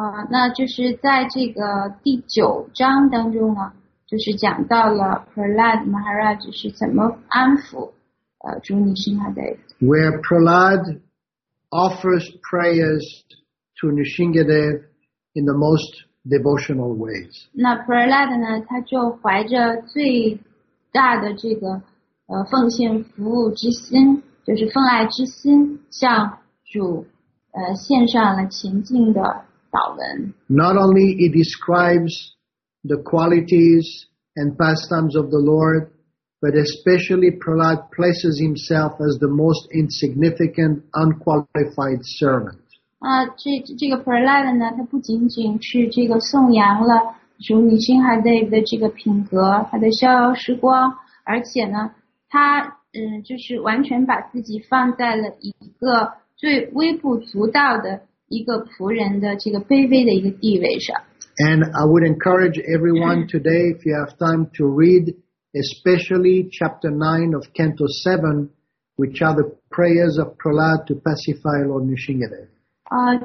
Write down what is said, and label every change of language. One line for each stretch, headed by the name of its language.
Chinese: 那就是在这个第九章当中呢，就是讲到了 Prahlad Maharaj 是怎么安抚主Nrisimhadev。
English: Where Prahlad offers prayers to Nrisimhadev in the most devotional ways.
Chinese: 那 Prahlad 呢，他就怀着最大的这个奉献服务之心，就是奉爱之心，向主献上了虔敬的祷文。
English: Not only he describes the qualities and pastimes of the Lord, but especially Prahlad places himself as the most insignificant, unqualified servant.
Chinese: 这个 Prahlad 呢，他不仅仅是这个颂扬了主Nrisimhadev的这个品格，他的逍遥时光，而且呢，他就是完全把自己放在了一个最微不足道的一个仆人的这个卑微的一个地位上。
English: And I would encourage everyone today, if you have time, to read especially chapter 9 of Canto 7, which are the prayers of Prahlad to pacify Lord Nrisingadev.